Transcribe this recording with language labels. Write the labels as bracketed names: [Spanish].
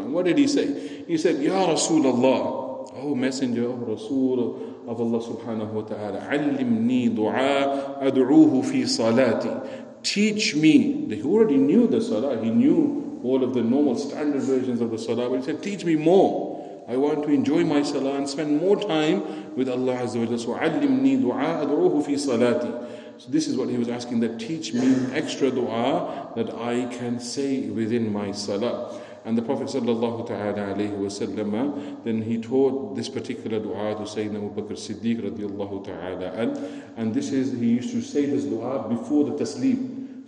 [English] And what did he say? He said, Ya Rasulullah, oh Messenger, oh Rasul of Allah subhanahu wa ta'ala, [Arabic] Allimni du'a ad'uuhu fi salati. [English] Teach me. He already knew the salah. He knew all of the normal standard versions of the salah. But he said, teach me more. I want to enjoy my salah and spend more time with Allah Azza wa Jalla. So, [Arabic] علمني دعاء أدعوه في صلاتي. [English] So this is what he was asking, that teach me extra dua that I can say within my salah. And the Prophet sallallahu ta'ala alayhi wa sallam, then he taught this particular dua to Sayyidina Abu Bakr Siddiq radiyallahu ta'ala an. And this is, he used to say this dua before the tasleem.